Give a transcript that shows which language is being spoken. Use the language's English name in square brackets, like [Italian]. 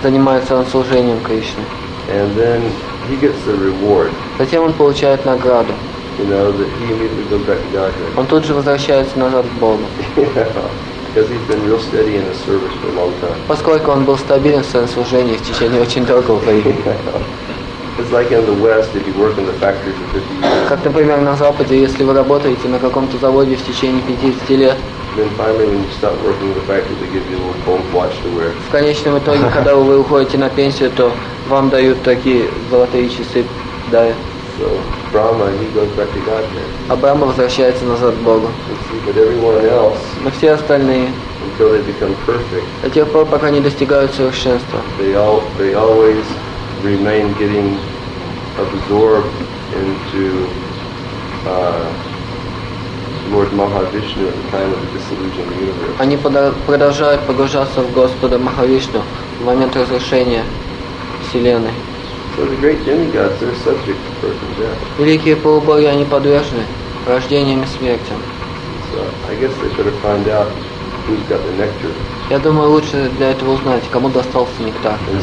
[Russian] Занимается он служением Кришне. [English] And then he gets the reward. [Russian] Затем он получает награду. [English] You know, that he immediately goes back to Godhead. [Russian] Он тут же возвращается назад к Богу. [English] Because he's been real steady in his service for a long time. [Russian] Поскольку он был стабилен в своем служении в течение очень долгого времени. [English] It's like in the West, if you work in the factory for 50 years. [Russian] Как, например, на Западе, если вы работаете на каком-то заводе в течение 50 лет. [English] Then finally, when you stop working in the factory, they give you a little gold watch to wear. [Russian] В конечном итоге, когда вы уходите на пенсию, то вам дают такие золотые часы, да. [English] So Brahma, he goes back to Godhead. [Russian] А Брахма возвращается назад к Богу. [English] But everyone else. [Russian] Но все остальные. [English] Until they become perfect. [Russian] До тех пор, пока не достигают совершенства. [English] They always. Remain getting absorbed into Lord Mahavishnu at the time of the dissolution of the universe. [Russian] Они продолжают погружаться в Господа Махавишну в момент разрушения Вселенной. [English] So the great demigods are subject to birth and death. [Russian] Великие полубоги, они подвержены рождениям и смерти. [English] So I guess they should have found out who's got the nectar. [Russian] Я думаю, лучше для этого узнать, кому достался нектар.